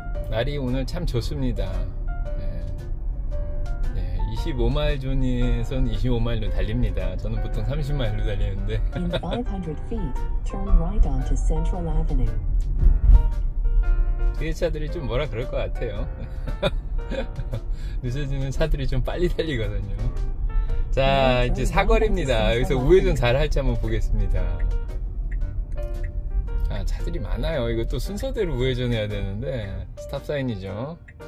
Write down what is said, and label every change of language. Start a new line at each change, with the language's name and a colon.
Korean: 날이 오늘 참 좋습니다. 네. 네, 25마일 존에선 25마일로 달립니다. 저는 보통 30마일로 달리는데.
English: In 500 feet, turn right onto Central Avenue.
Korean: 기차들이 좀 뭐라 그럴 것 같아요. 늦어지는 차들이 좀 빨리 달리거든요. 자, 이제 사거리입니다. 여기서 우회전 잘 할지 한번 보겠습니다. 아, 차들이 많아요. 이거 또 순서대로 우회전해야 되는데 스탑사인이죠.